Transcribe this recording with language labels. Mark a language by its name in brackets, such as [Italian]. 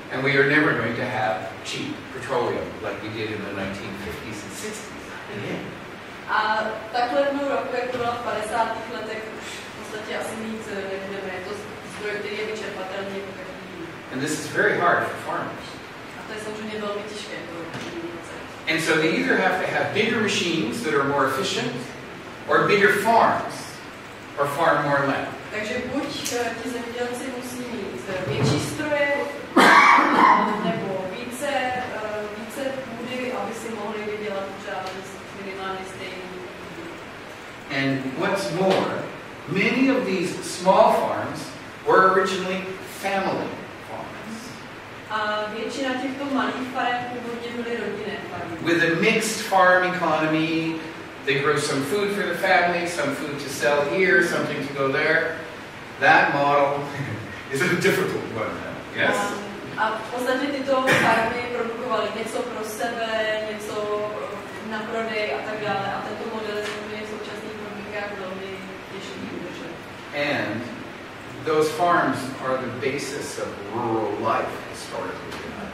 [English] And we are never going to have cheap petroleum like we did in the 1950s and 60s. [Czech] A tak levnou ropu, jak to bylo v 50. letech, už v podstatě asi nic nebudeme. Je to zdroj, který je vyčerpatelný jako každý. [English] And this is very hard for farmers. [Czech] A to je samozřejmě velmi těžké pro zemědělce. [English] And so they either have to have bigger machines that are more efficient, or bigger farms, or farm more land. [Czech] Takže buď ti zemědělci musí mít větší stroje, nebo více půdy, aby si mohli vydělat třeba minimálně stejný. [English] And what's more, many of these small farms were originally family farms. [Czech] A většina těchto malých farem původně byly rodinné farmy. [English] With a mixed farm economy, they grow some food for the family, some food to sell here, something to go there. That model is a difficult one, yes? [Czech] A v podstatě tyto farmy produkovaly něco pro sebe, něco na prodej a tak dále. A tento model je v současných podmínkách velmi těžký udržet. [English] And those farms are the basis of rural life historically.